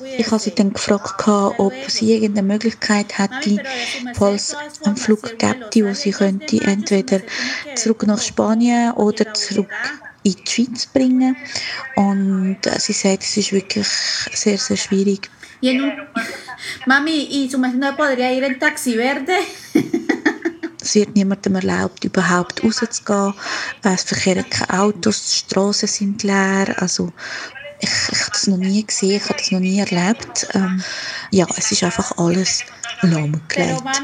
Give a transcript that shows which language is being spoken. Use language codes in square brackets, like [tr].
[de] Ich habe sie dann gefragt, ob sie irgendeine Möglichkeit hätte, falls es einen Flug gäbe, wo sie könnte, entweder zurück nach Spanien oder zurück in die Schweiz bringen. Und sie sagt, es ist wirklich sehr, sehr schwierig. [es] Mami, ¿y su merced no podría ir en Taxi Verde? [de] Es wird niemandem erlaubt, überhaupt rauszugehen. Es verkehren keine Autos, die Strassen sind leer. Also, ich habe das noch nie gesehen, ich habe das noch nie erlebt. Ja, es ist einfach alles lahmgelegt.